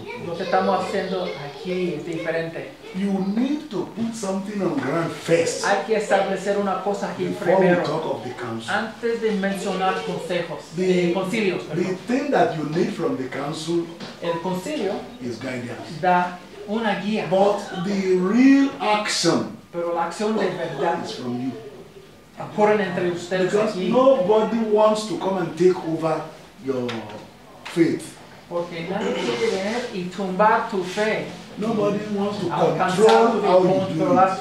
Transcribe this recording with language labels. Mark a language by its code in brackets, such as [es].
[es] do. Lo que estamos haciendo aquí es diferente. [en] You need to put something on ground first. [es] Hay que establecer una cosa aquí [en] before [es] primero. [en] Before we talk of the council. [es] Antes de mencionar consejos, concilios. [en] The thing that you need from the council, [es] el concilio, [en] is guidance. [es] Da una guía. [en] But the real action, [es] pero la acción de verdad, [en] is from you. [es] Ocurren entre ustedes aquí. [en] Because nobody wants to come and take over your faith. [es] Porque nadie quiere venir y tumbar tu fe. [en] Nobody wants to control how you do it.